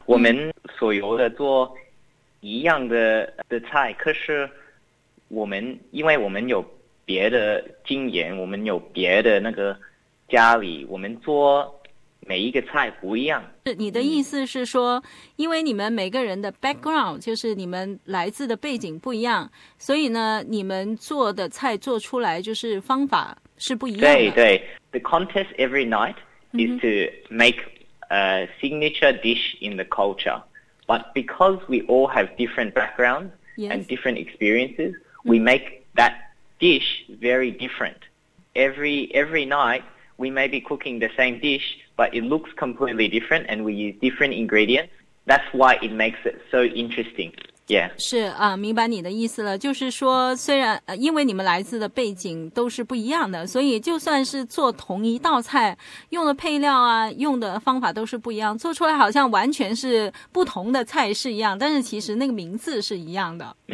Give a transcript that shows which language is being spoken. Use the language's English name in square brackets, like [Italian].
[Chinese] 我们所有的做一样的菜，可是我们因为我们有别的经验，我们有别的那个家里，我们做每一个菜不一样。是你的意思是说，因为你们每个人的 background 就是你们来自的背景不一样，所以呢你们做的菜做出来就是方法是不一样的。对对， [English] The contest every night is to make a signature dish in the culture, but because we all have different backgrounds and different experiences, we make that dish very different. Every night we may be cooking the same dish, but it looks completely different, and we use different ingredients. That's why it makes it so interesting. Yeah. [Chinese] 是啊，明白你的意思了。就是说，虽然因为你们来自的背景都是不一样的，所以就算是做同一道菜，用的配料啊，用的方法都是不一样，做出来好像完全是不同的菜式一样，但是其实那个名字是一样的。